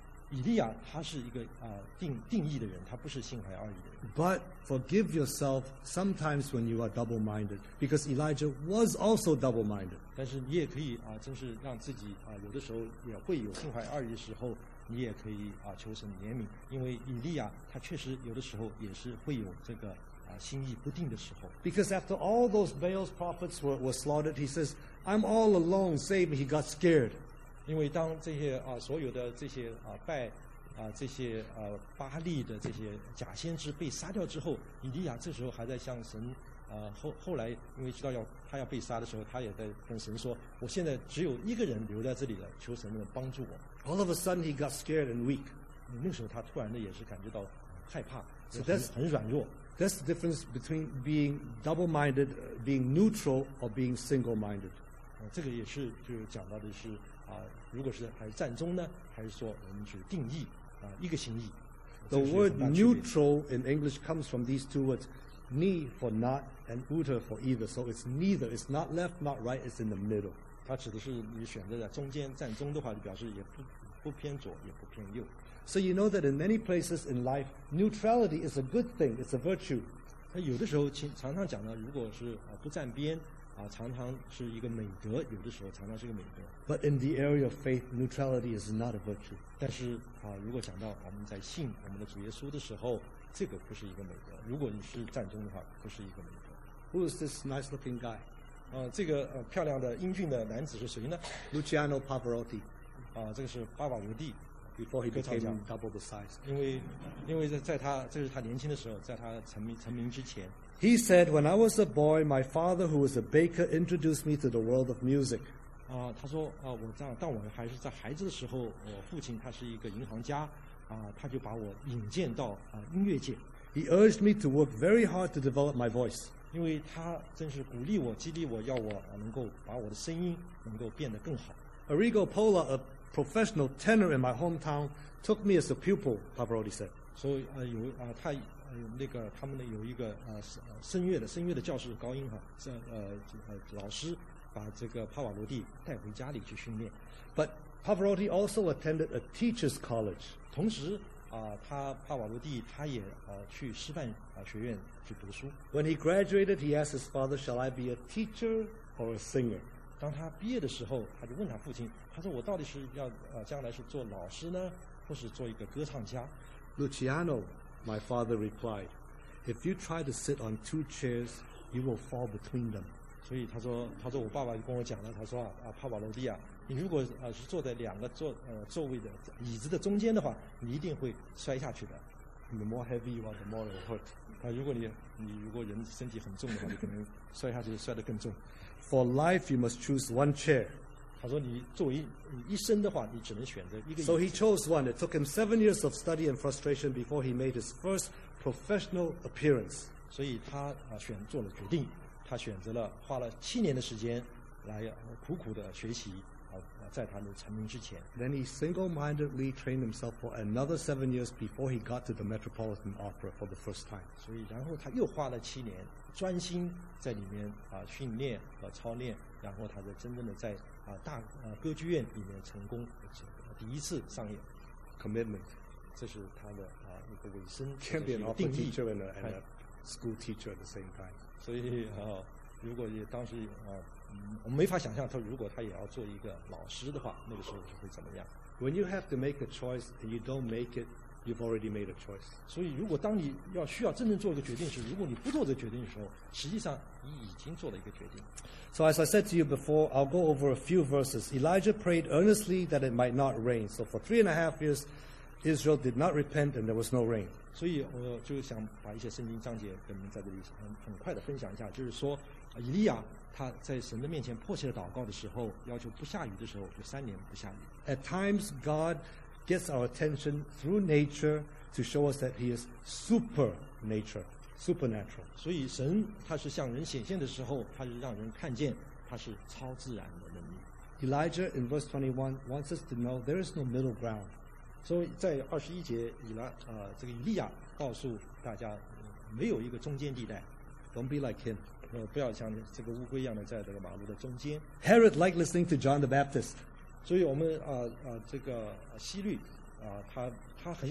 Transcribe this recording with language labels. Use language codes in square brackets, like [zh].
[zh] 以利亚他是一个定义的人他不是心怀二意的人 [en] But forgive yourself sometimes when you are double-minded because Elijah was also double-minded [zh] 但是你也可以真是让自己有的时候也会有心怀二意的时候你也可以求神怜悯因为以利亚他确实有的时候也是会有这个心意不定的时候 [en] because after all those Baal's prophets were slaughtered he says I'm all alone save me he got scared [zh] 因为当这些所有的这些拜这些巴利的这些假先知被杀掉之后以利亚这时候还在向神后来因为知道他要被杀的时候他也在跟神说我现在只有一个人留在这里了求神能帮助我 [en] All of a sudden he got scared and weak [zh] 那时候他突然的也是感觉到害怕很软弱 [en] That's the difference between being double-minded being neutral or being single-minded [zh] 这个也是就是讲到的是如果是还是战中呢还是说我们去定义一个心意 [en] The word neutral in English comes from these two words Ni for not and Uter for either so it's neither it's not left not right it's in the middle [zh] 它指的是你选择在中间站中的话就表示也 不偏左也不偏右 [en] So you know that in many places in life neutrality is a good thing it's a virtue [zh] 它有的时候常常讲呢如果是不站边常常是一个美德，有的时候常常是一个美德。 [en] But in the area of faith, neutrality is not a virtue. [zh] 但是啊，如果讲到我们在信我们的主耶稣的时候，这个不是一个美德。如果你是战争的话，不是一个美德。 [en] Who is this nice-looking guy? [zh] 这个漂亮的英俊的男子是谁呢 [en] ？Luciano Pavarotti. [zh] 这个是巴瓦罗蒂。 [en] Before he became double the size. [zh] 因为在他这是他年轻的时候，在他成名之前。 [en] He said, when I was a boy, my father, who was a baker, introduced me to the world of music. [zh] 他说当我还是在孩子的时候，我父亲他是一个银行家，他就把我引荐到音乐界。 [en] He urged me to work very hard to develop my voice. [zh] 因为他真是鼓励我，激励我，要我能够把我的声音能够变得更好。 [en] Arrigo Pola, a professional tenor in my hometown, took me as a pupil, Pavarotti said. So, [zh] 有他。那个他们的有一个声乐的教室高音哈，老师把这个帕瓦罗蒂带回家里去训练。 [en] But Pavarotti also attended a teacher's college. [zh] 同时他帕瓦罗蒂他也去师范学院去读书。 [en] When he graduated, he asked his father, "Shall I be a teacher or a singer?" [zh] 当他毕业的时候，他就问他父亲，他说：“我到底是要将来是做老师呢，或是做一个歌唱家？”Luciano。 [en] My father replied, "If you try to sit on two chairs, you will fall between them." [zh] 所以他说我爸爸就跟我讲了，他说帕瓦罗蒂啊，你如果是坐在两个座位的椅子的中间的话，你一定会摔下去的。 [en] The more heavy you are, the more you hurt. [zh] 如果人身体很重的话，你可能摔下去摔得更重。 [en] For life, you must choose one chair. [zh] 他说你作为一生的话，你只能选择一个。 [en] So he chose one. It took him 7 years of study and frustration before he made his first professional appearance. [zh] 所以他做了决定，他选择了花了7年的时间来苦苦的学习在他的成名之前。 [en] Then he single-mindedly trained himself for another 7 years before he got to the Metropolitan Opera for the first time. [zh] 所以然后他又花了7年专心在里面训练和操练，然后他就真正的在歌剧院里面成功第一次上演 [en] commitment [zh] 这是他的一个尾声 [en] can't be an opera teacher and a school teacher at the same time [zh] 所以如果也当时我没法想象他如果他也要做一个老师的话那个时候是会怎么样 [en] when you have to make a choice and you don't make it you've already made a choice [zh] 所以如果当你要需要真正做一个决定时如果你不做这个决定的时候实际上你已经做了一个决定 [en] So as I said to you before, I'll go over a few verses. Elijah prayed earnestly that it might not rain. So for 3.5 years, Israel did not repent and there was no rain. [zh] 所以我就想把一些圣经章节跟您在这里很快的分享一下，就是说，以利亚他在神的面前迫切的祷告的时候，要求不下雨的时候，就3年不下雨。 [en] At times, God gets our attention through nature to show us that He is supernatural. Supernatural. [zh] 所以神他是向人显现的时候，他是让人看见他是超自然的能力。 [en] Elijah in verse 21 wants us to know there is no middle ground. [zh] 所以在21节，这个以利亚告诉大家，没有一个中间地带。 [en] Don't be like him. [zh] 不要像这个乌龟一样的在这个马路的中间。 [en] Herod liked listening to John the Baptist. [zh] 所以我们这个希律他很